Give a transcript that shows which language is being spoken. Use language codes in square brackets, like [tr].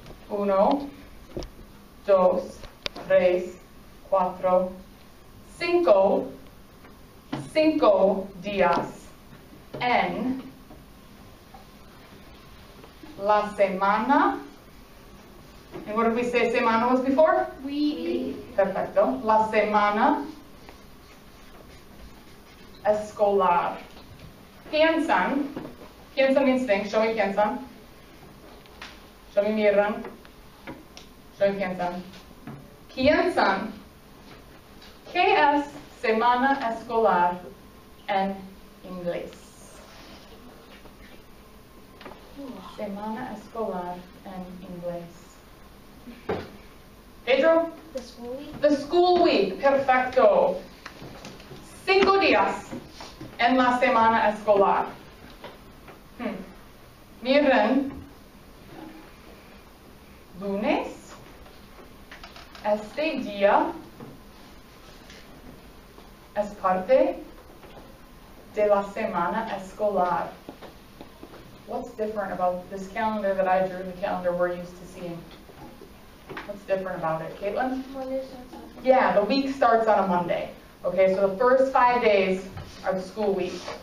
[es] Uno, dos, tres, cuatro, cinco, cinco días en la semana. [en] And what did we say semana was before? Week. [es] Perfecto. La semana escolar. Piensan. Piensan [en] means think. Show me [es] piensan. Show me miran. Show me piensan. Piensan. ¿Qué es semana escolar en inglés? Semana escolar en inglés. Pedro? [en] The school week. The school week. [es] Perfecto. Cinco días en la semana escolar. Miren. Lunes. Este día es parte de la semana escolar. [en] What's different about this calendar that I drew, the calendar we're used to seeing? What's different about it, Caitlin? Monday starts on Yeah, the week starts on a Monday. Okay, so the first 5 days are the school week.